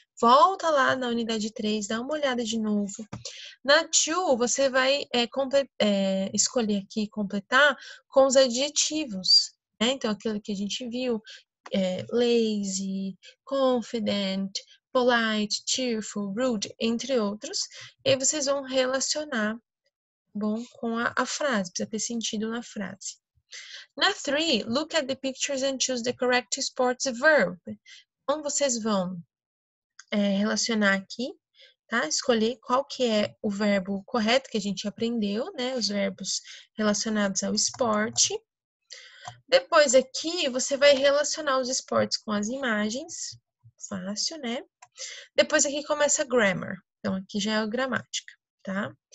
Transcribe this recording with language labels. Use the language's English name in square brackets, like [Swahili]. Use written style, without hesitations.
[Portuguese] Volta lá na unidade 3, dá uma olhada de novo. Na 2, você vai escolher aqui e completar com os adjetivos. Né? Então, aquilo que a gente viu, lazy, confident, polite, cheerful, rude, entre outros. E aí vocês vão relacionar, bom, com a frase. Precisa ter sentido na frase. [English] Na 3, look at the pictures and choose the correct sports verb. [Portuguese] Então, vocês vão relacionar aqui, tá? Escolher qual que é o verbo correto que a gente aprendeu, né? Os verbos relacionados ao esporte. Depois aqui, você vai relacionar os esportes com as imagens. Fácil, né? Depois aqui começa grammar. Então, aqui já é a gramática, tá?